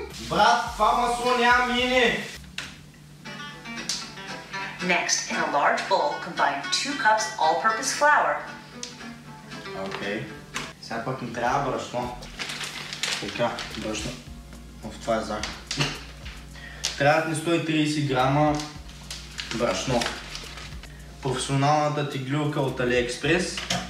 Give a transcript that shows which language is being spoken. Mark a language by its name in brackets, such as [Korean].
[Bulgarian] Брат, това масло няма мине! [English] Next, in a large bowl, combine 2 cups all-purpose flour. [Bulgarian] Окей. Сега пък ми трябва брашно. Така, брашно. Оф, това е зак. Трябват ни 130 грама. Брашно. Професионалната тиглюрка от AliExpress.